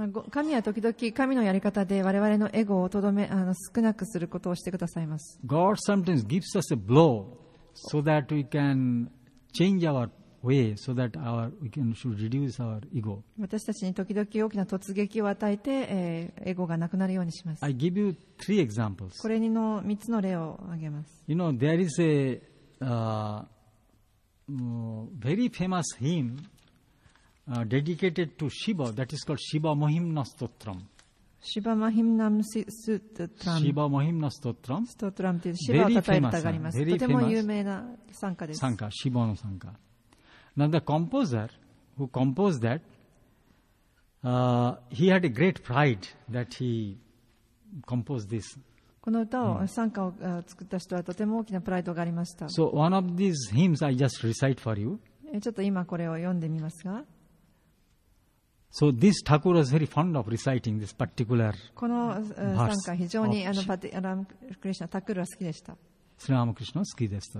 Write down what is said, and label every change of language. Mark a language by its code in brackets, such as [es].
[ja] 神は時々神のやり方で我々のエゴをとどめ少なくすることをしてくださいます。 [en] God sometimes gives us a blow so that we can change our way so that we should reduce our ego. [ja] 私たちに時々大きな突撃を与えて、エゴがなくなるようにします。 [en] I give you three examples. [ja] これにの3つの例を挙げます。 [en] You know, there is a very famous hymn dedicated to Shiva that is called Shiva Mahimna Stotram. Shiva Mahimna Stotram. Shiva Mahimna Stotram. [ja] Stotram という Shiva を称える歌があります。とても有名な賛歌です。賛歌、Shiva の賛歌。 [en] Now the composer who composed that, he had a great pride that he composed this. [ja] この歌を賛歌を作った人はとても大きなプライドがありました。 [en] So one of these hymns I just recite for you. [ja] ちょっと今これを読んでみますが。 [en] So this Thakur was very fond of reciting this particular verse. [ja] この賛歌非常にラムクリシナ、タクルは好きでした。スラムクリシナ好きでした。